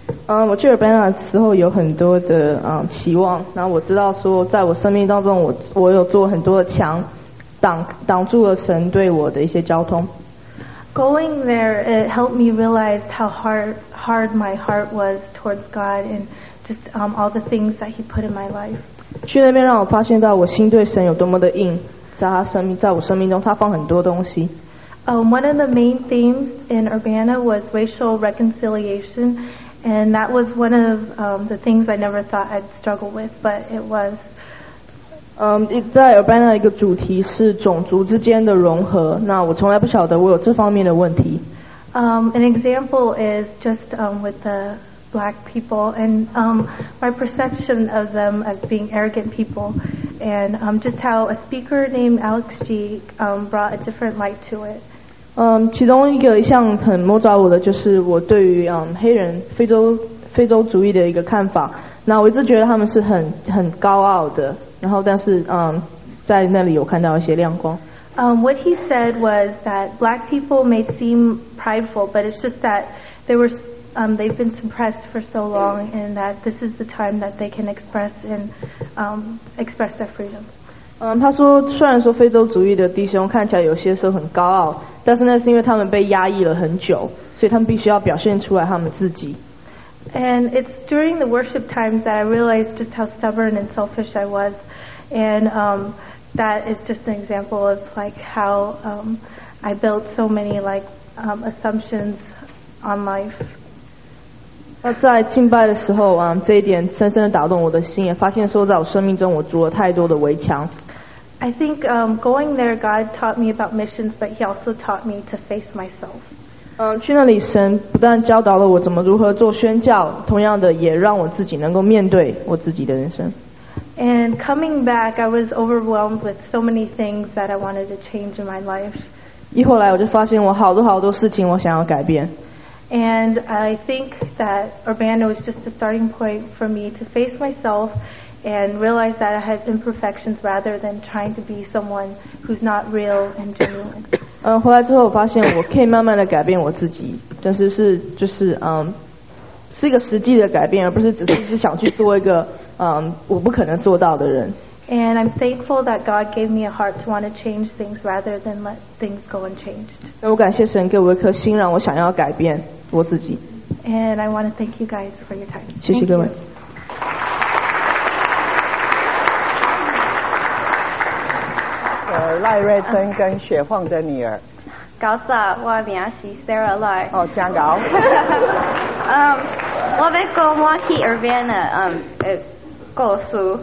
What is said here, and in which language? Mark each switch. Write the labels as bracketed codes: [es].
[zh] 我去 Urbana 的时候有很多的期望，然后我知道说在我生命当中我有做很多的墙。 [en] Going there, it helped me realize how hard my heart was towards God and just all the things that He put in my life. [zh] 去那边让我发现到我心对神有多么的硬，在我生命中，他放很多东西。 [en] One of the main themes in Urbana was racial reconciliation, and that was one of the things I never thought I'd struggle with, but it was. [zh] 在 Urbana 一个主题是种族之间的融合，那我从来不晓得我有这方面的问题。 [en] An example is just with the black people and my perception of them as being arrogant people and just how a speaker named Alex G brought a different light to it. [zh] 其中一个一项很摸着我的就是我对于黑人非洲主义的一个看法。那我一直觉得他们是很高傲的，然后但是在那里有看到一些亮光。 [en] What he said was that black people may seem prideful, but it's just that they've been suppressed for so long, and that this is the time that they can express their freedom. [zh] 他说虽然说非洲主义的弟兄看起来有些时候很高傲，但是那是因为他们被压抑了很久，所以他们必须要表现出来他们自己。 [en] And it's during the worship times that I realized just how stubborn and selfish I was, and that is just an example of like how I built so many like assumptions on life. [zh] 在敬拜的时候啊，这一点深深的打动我的心，也发现说在我生命中我筑了太多的围墙。 [en] I think going there, God taught me about missions, but He also taught me to face myself. [zh] 去那里神不但教导了我怎么如何做宣教，同样的也让我自己能够面对我自己的人生。 [en] And coming back, I was overwhelmed with so many things that I wanted to change in my life. [zh] 一回来我就发现我好多好多事情我想要改变。 [en] And I think that Urbana was just the starting point for me to face myself and realize that I had imperfections rather than trying to be someone who's not real and genuine. [zh] 回来之后我发现我可以慢慢的改变我自己，但是是就是是一个实际的改变，而不是只是一直想去做一个我不可能做到的人。 [en] And I'm thankful that God gave me a heart to want to change things rather than let things go unchanged. [zh] 我感谢神给我一颗心，让我想要改变我自己。 [en] And I want to thank you guys for your time. [zh] 谢谢各位。赖瑞珍跟雪晃的女儿。高萨，我名是 Sarah Lai。哦，真高。我要讲我去 Urbana 故事。